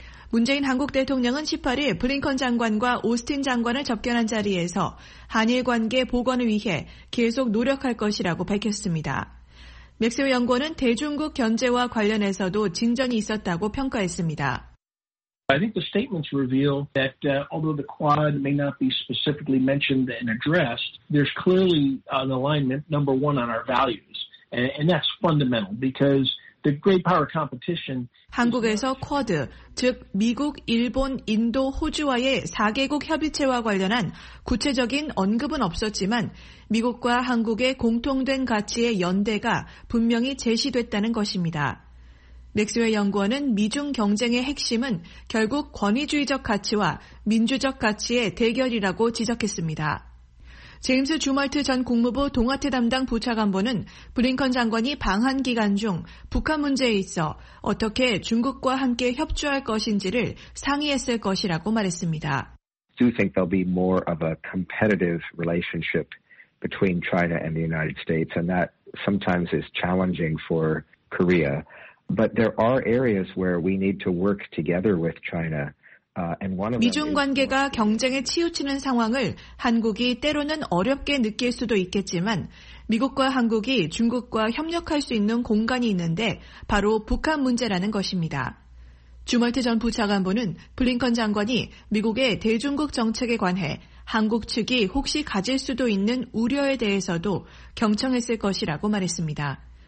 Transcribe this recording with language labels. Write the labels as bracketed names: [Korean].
[Korean] 문재인 한국 대통령은 18일 블링컨 장관과 오스틴 장관을 접견한 자리에서 한일 관계 복원을 위해 계속 노력할 것이라고 밝혔습니다. 맥스웰 연구원은 대중국 견제와 관련해서도 진전이 있었다고 평가했습니다. [English] I think the statements reveal that although the Quad may not be specifically mentioned and addressed, there's clearly an alignment, number one, on our values. And that's fundamental because the great power competition. [Korean] 한국에서 쿼드, 즉 미국, 일본, 인도, 호주와의 4개국 협의체와 관련한 구체적인 언급은 없었지만 미국과 한국의 공통된 가치의 연대가 분명히 제시됐다는 것입니다. 맥스웰 연구원은 미중 경쟁의 핵심은 결국 권위주의적 가치와 민주적 가치의 대결이라고 지적했습니다. 제임스 주멀트 전 국무부 동아태 담당 부차관보는 블링컨 장관이 방한 기간 중 북한 문제에 있어 어떻게 중국과 함께 협조할 것인지를 상의했을 것이라고 말했습니다. [English] I do think there'll be more of a competitive relationship between China and the United States, and that sometimes is challenging for Korea. But there are areas where we need to work together with China. And one of [Korean] 미중 관계가 경쟁에 치우치는 상황을 한국이 때로는 어렵게 느낄 수도 있겠지만 미국과 한국이 중국과 협력할 수 있는 공간이 있는데 바로 북한 문제라는 것입니다. 주멀트 전 부차관보는 블링컨 장관이 미국의 대중국 정책에 관해 한국 측이 혹시 가질 수도 있는 우려에 대해서도 경청했을 것이라고 말했습니다.